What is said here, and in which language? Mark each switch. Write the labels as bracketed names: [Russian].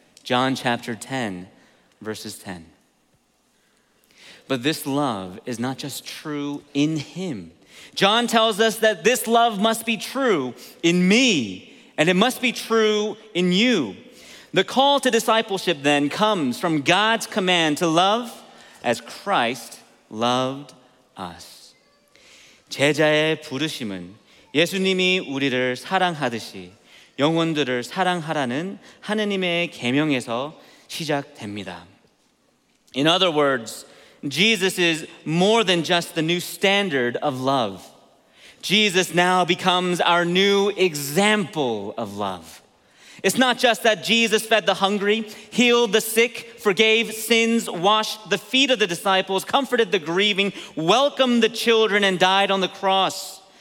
[English] John chapter 10, verses 10. But this love is not just true in him. John tells us that this love must be true in me, and it must be true in you. The call to discipleship then comes from God's command to love as Christ loved us. [Korean] 제자의 부르심은 예수님이 우리를 사랑하듯이 영혼들을 사랑하라는 하느님의 계명에서 시작됩니다. [English] In other words, Jesus is more than just the new standard of love. Jesus now becomes our new example of love. It's not just that Jesus fed the hungry, healed the sick, forgave sins, washed the feet of the disciples, comforted the grieving, welcomed the children, and died on the cross.